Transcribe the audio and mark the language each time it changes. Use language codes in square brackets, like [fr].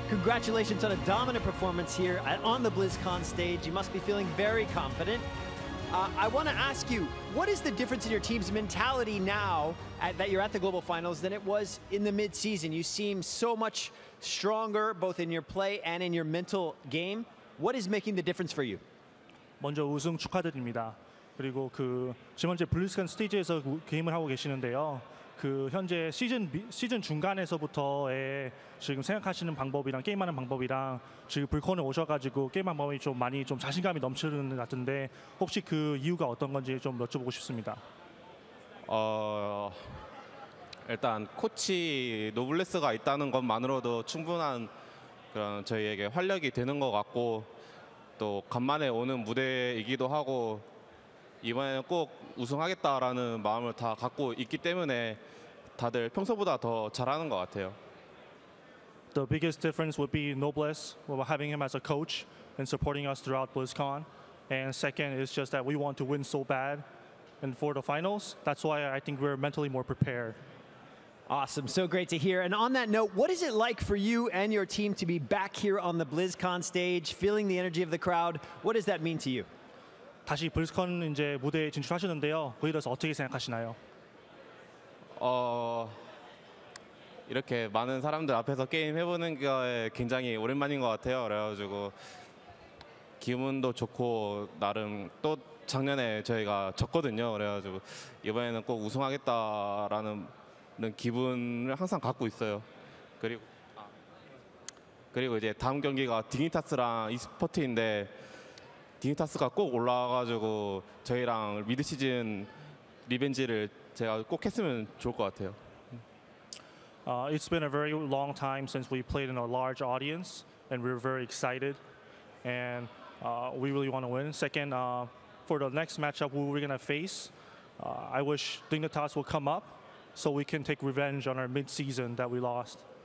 [en] Congratulations on a dominant performance here on the BlizzCon stage. You must be feeling very confident. I want to ask you, what is the difference in your team's mentality now that you're at the Global Finals than it was in the mid-season? You seem so much stronger, both in your play and in your mental game. What is making the difference for you? [ko] 먼저 우승 축하드립니다. 그리고 그 지금 현재 블리스칸 스테이지에서 게임을 하고 계시는데요. 그 현재 시즌 중간에서부터의 지금 생각하시는 방법이랑 게임하는 방법이랑 지금 불콘에 오셔가지고 게임 방법이 좀 많이 좀 자신감이 넘치는 것 같은데 혹시 그 이유가 어떤 건지 좀 여쭤보고 싶습니다. 일단 코치 노블레스가 있다는 것만으로도 충분한 그런 저희에게 활력이 되는 것 같고 또 간만에 오는 무대이기도 하고 이번에는 꼭 우승하겠다라는 마음을 다 갖고 있기 때문에 다들 평소보다 더 잘하는 것 같아요. [en] The biggest difference would be Noblesse, having him as a coach and supporting us throughout BlizzCon. And second is just that we want to win so bad and for the finals. That's why I think we're mentally more prepared. Awesome. So great to hear. And on that note, what is it like for you and your team to be back here on the BlizzCon stage, feeling the energy of the crowd? What does that mean to you? [ko] 다시 블리즈컨 이제 무대에 진출하셨는데요. 거기에 대해서 어떻게 생각하시나요? 이렇게 많은 사람들 앞에서 게임 해보는 게 굉장히 오랜만인 것 같아요. 그래가지고 기분도 좋고 나름 또 작년에 저희가 졌거든요. 그래가지고 이번에는 꼭 우승하겠다라는 기분을 항상 갖고 있어요. 그리고 이제 다음 경기가 디니타스랑 e스포트인데 디니타스가 꼭 올라와가지고 저희랑 미드 시즌 리벤지를 제가 꼭 했으면 좋을 것 같아요. [en] It's been a very long time since we played in a large audience, and we're very excited, and we really want to win. Second, for the next matchup we're going to face, I wish Dignitas will come up. so we can take revenge on our mid-season that we lost.